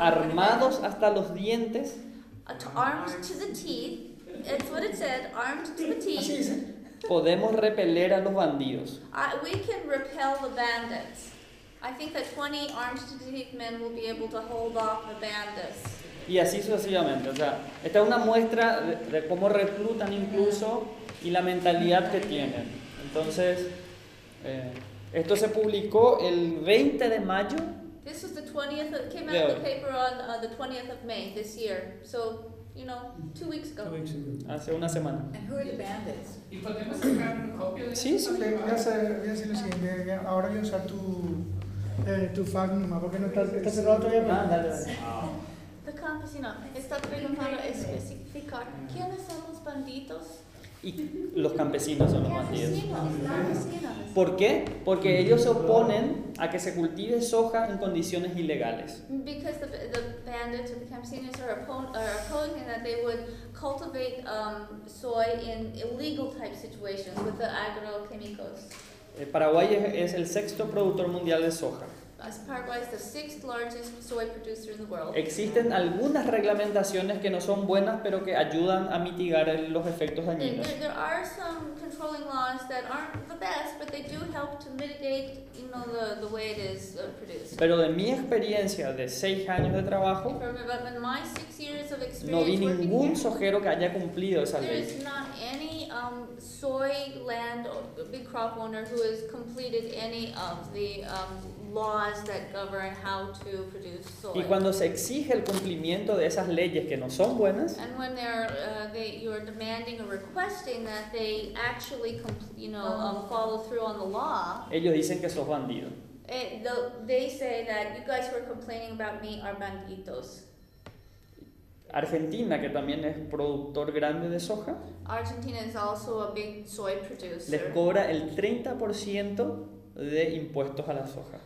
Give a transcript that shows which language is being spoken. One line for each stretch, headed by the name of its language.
Spanish: Armados hasta los dientes.
English: Armed to the teeth. That's what it said. Armed to the teeth.
Spanish: Podemos repeler a los bandidos.
English: We can repel the bandits. I think that 20 armed to the teeth men will be able to hold off the bandits.
Spanish: Y así sucesivamente, o sea, esta es una muestra de cómo reclutan incluso y la mentalidad que tienen. Entonces, esto se publicó el 20 de mayo.
English: This was the 20th, it came out of the paper on the 20th of May this year. So, you know, 2 weeks ago. 2 weeks ago.
Spanish: Hace una semana.
English: And who are the bandits?
Spanish: ¿Y podemos sacar una copia de sí, sí. Okay, voy a hacer lo siguiente. Ahora voy a usar tu fax nomás, porque no está cerrado todavía. Ah, dale. Wow. The campesino está preguntando especificar quiénes son los banditos. Y los campesinos son los bandidos. ¿Por qué? Porque ellos se oponen a que se cultive soja en condiciones ilegales.
English: Because the bandits or the campesinos are opposing that they would cultivate soy in illegal type situations with the agrochemicals.
Spanish: Paraguay es el sexto productor mundial de soja.
English: As Paraguay is the sixth largest soy producer in the world.
Spanish: Existen algunas reglamentaciones que no son buenas, pero que ayudan a mitigar los efectos dañinos.
English: There are some controlling laws that aren't the best, but they do help to mitigate, you know, the way it is produced.
Spanish: Pero de mi experiencia de 6 años de trabajo,
English: in my 6 years of experience,
Spanish: no vi ningún sojero que haya cumplido esa ley.
English: There is not any soy land or big crop owner who has completed any of the laws that govern how to produce soy.
Spanish: Y cuando se exige el cumplimiento de esas leyes que no son buenas,
English: and when you're demanding or requesting that they actually follow through on the law,
Spanish: ellos dicen que sos bandido.
English: They say that you guys who are complaining about me are banditos.
Spanish: Argentina, que también es productor grande de soja,
English: Argentina is also a big soy producer,
Spanish: les cobra el 30% de impuestos a la soja.